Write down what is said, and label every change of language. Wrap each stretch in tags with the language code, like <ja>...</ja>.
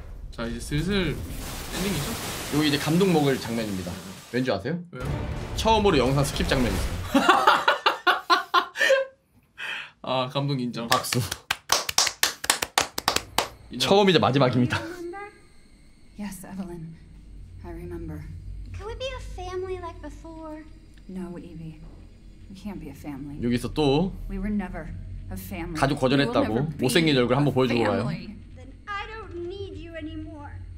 <ko>자 이제 슬슬 엔딩이죠? 여기 이제 감동 먹을 장면입니다. 왠지 아세요? 왜요? 처음으로 영상 스킵 장면이 있어요. 아 감동 인정. 박수. 처음이자 마지막입니다.</ko> <en>Yes, Evelyn. I remember. Could we be a family like before? No, Evie. We can't be a family.</en> <ko>여기서 또</ko> <en>We were never a family.</en> <ko>가족 거절했다고 못생긴 얼굴 한번 보여주고 가요.</ko> <en>Then I don't need you anymore.</en>